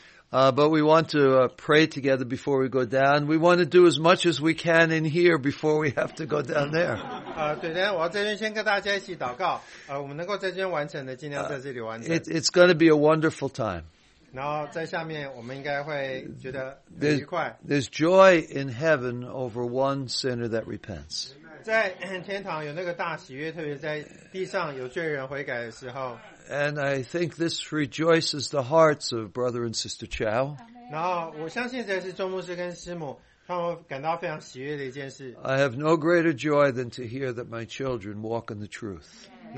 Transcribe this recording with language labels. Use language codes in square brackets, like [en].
[en] But we want to pray together before we go down. We want to do as much as we can in here before we have to go down there. [zh] 对，我要在这边先跟大家一起祷告，我们能够在这边完成的，尽量在这里完成。 [en] It's going to be a wonderful time. [zh] 然后在下面我们应该会觉得很愉快。 [en] There's joy in heaven over one sinner that repents. [zh] 在天堂有那个大喜悦，特别在地上有罪人悔改的时候。 [en] And I think this rejoices the hearts of Brother and Sister Chow. [zh] 然后我相信这是钟牧师跟师母他们感到非常喜悦的一件事。 [en] I have no greater joy than to hear that my children walk in the truth.